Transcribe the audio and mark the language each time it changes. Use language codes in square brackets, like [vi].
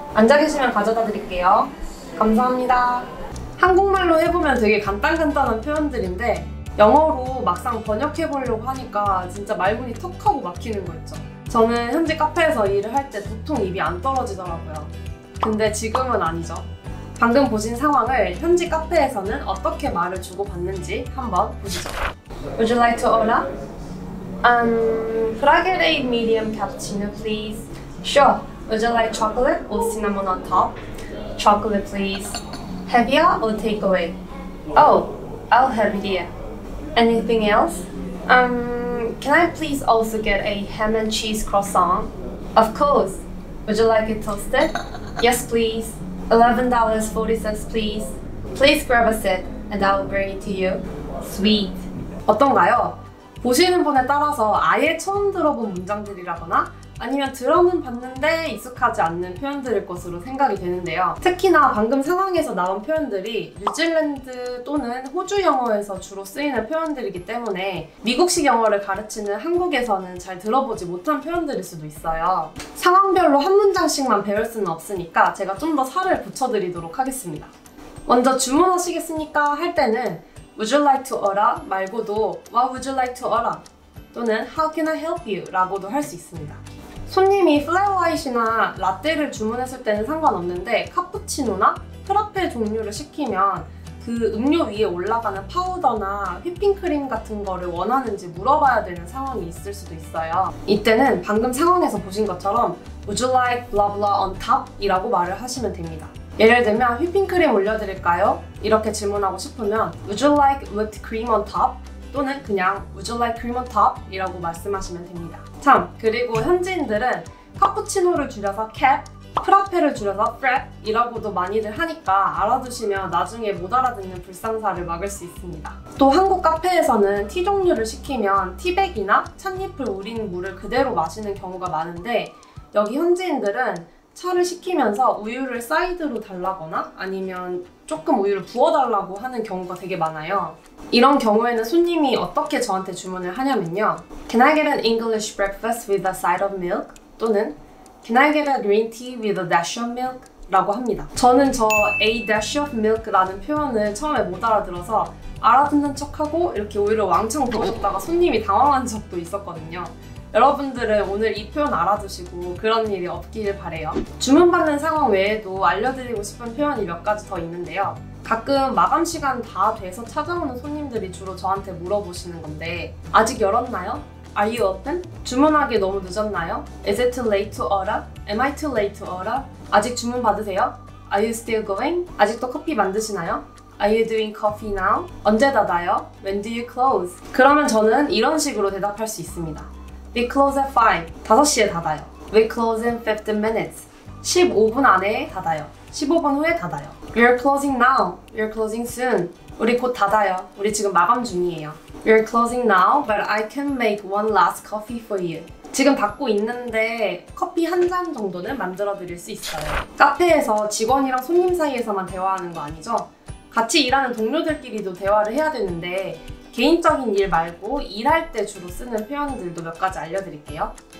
[ko] 앉아계시면 가져다 드릴게요. 감사합니다. 한국말로 해보면 되게 간단간단한 표현들인데 영어로 막상 번역해보려고 하니까 진짜 말문이 턱 하고 막히는 거 있죠? 저는 현지 카페에서 일을 할 때 보통 입이 안 떨어지더라고요. 근데 지금은 아니죠. 방금 보신 상황을 현지 카페에서는 어떻게 말을 주고받는지 한번 보시죠. [en] Would you like to order? Could I get a medium cappuccino, please? Sure. Would you like chocolate or cinnamon on top? Chocolate, please. Heavier or takeaway? Oh, I'll have it here. Anything else? Can I please also get a ham and cheese croissant? Of course. Would you like it toasted? Yes, please. $11.40, please. Please grab a seat, and I'll bring it to you. Sweet. [ko] 어떤가요? 보시는 분에 따라서 아예 처음 들어본 문장들이라거나 아니면 들어는 봤는데 익숙하지 않는 표현들일 것으로 생각이 되는데요. 특히나 방금 상황에서 나온 표현들이 뉴질랜드 또는 호주 영어에서 주로 쓰이는 표현들이기 때문에 미국식 영어를 가르치는 한국에서는 잘 들어보지 못한 표현들일 수도 있어요. 상황별로 한 문장씩만 배울 수는 없으니까 제가 좀 더 살을 붙여드리도록 하겠습니다. 먼저 주문하시겠습니까? 할 때는 [en] Would you like to order? [ko] 말고도 [en] What would you like to order? 또는 How can I help you? [ko] 라고도 할 수 있습니다. 손님이 플라워아이시나 라떼를 주문했을 때는 상관없는데 카푸치노나 프라페 종류를 시키면 그 음료 위에 올라가는 파우더나 휘핑크림 같은 거를 원하는지 물어봐야 되는 상황이 있을 수도 있어요. 이때는 방금 상황에서 보신 것처럼 [en] Would you like blah blah on top? [ko] 이라고 말을 하시면 됩니다. 예를 들면 휘핑크림 올려드릴까요? 이렇게 질문하고 싶으면 [en] Would you like whipped cream on top? [ko] 또는 그냥 [en] Would you like cream on top? [ko] 이라고 말씀하시면 됩니다. 참, 그리고 현지인들은 카푸치노를 줄여서 캡, 프라페를 줄여서 프랩 이라고도 많이들 하니까 알아두시면 나중에 못 알아듣는 불상사를 막을 수 있습니다. 또 한국 카페에서는 티 종류를 시키면 티백이나 찻잎을 우린 물을 그대로 마시는 경우가 많은데 여기 현지인들은 차를 시키면서 우유를 사이드로 달라거나 아니면 조금 우유를 부어달라고 하는 경우가 되게 많아요. 이런 경우에는 손님이 어떻게 저한테 주문을 하냐면요. [en] Can I get an English breakfast with a side of milk? [ko] 또는 [en] Can I get a green tea with a dash of milk? [ko] 라고 합니다. 저는 저 [en] a dash of milk [ko] 라는 표현을 처음에 못 알아들어서 알아듣는 척하고 이렇게 우유를 왕창 부어줬다가 손님이 당황한 적도 있었거든요. 여러분들은 오늘 이 표현 알아두시고 그런 일이 없기를 바래요. 주문받는 상황 외에도 알려드리고 싶은 표현이 몇 가지 더 있는데요. 가끔 마감 시간 다 돼서 찾아오는 손님들이 주로 저한테 물어보시는 건데 아직 열었나요? [en] Are you open? [ko] 주문하기 너무 늦었나요? [en] Is it too late to order? Am I too late to order? [ko] 아직 주문 받으세요? [en] Are you still going? [ko] 아직도 커피 만드시나요? [en] Are you doing coffee now? [ko] 언제 닫아요? [en] When do you close? [ko] 그러면 저는 이런 식으로 대답할 수 있습니다. [en] We close at 5. [ko] 5시에 닫아요. [en] We close in 15 minutes. [ko] 15분 안에 닫아요. 15분 후에 닫아요. [en] You're closing now. You're closing soon. [ko] 우리 곧 닫아요. 우리 지금 마감 중이에요. [en] You're closing now, but I can make one last coffee for you. [ko] 지금 닫고 있는데 커피 한 잔 정도는 만들어 드릴 수 있어요. 카페에서 직원이랑 손님 사이에서만 대화하는 거 아니죠? 같이 일하는 동료들끼리도 대화를 해야 되는데 개인적인 일 말고 일할 때 주로 쓰는 표현들도 몇 가지 알려드릴게요.